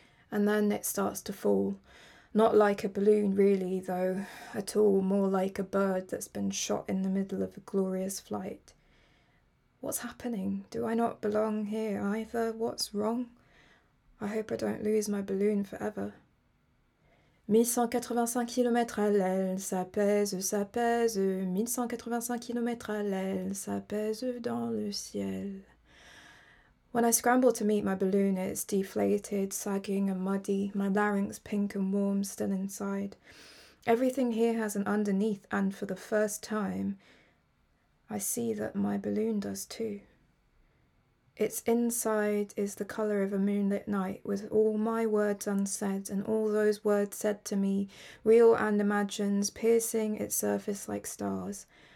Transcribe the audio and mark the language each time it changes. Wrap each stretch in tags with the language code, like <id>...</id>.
<en>And then it starts to fall. Not like a balloon, really, though, at all. More like a bird that's been shot in the middle of a glorious flight. What's happening? Do I not belong here either? What's wrong? I hope I don't lose my balloon forever.</en> <fr>1185 kilomètres à l'aile, ça pèse, ça pèse. 1185 kilomètres à l'aile, ça pèse dans le ciel.</fr> <en>When I scramble to meet my balloon, it's deflated, sagging and muddy, my larynx pink and warm still inside. Everything here has an underneath, and for the first time, I see that my balloon does too. Its inside is the colour of a moonlit night, with all my words unsaid and all those words said to me, real and imagined, piercing its surface like stars.</en>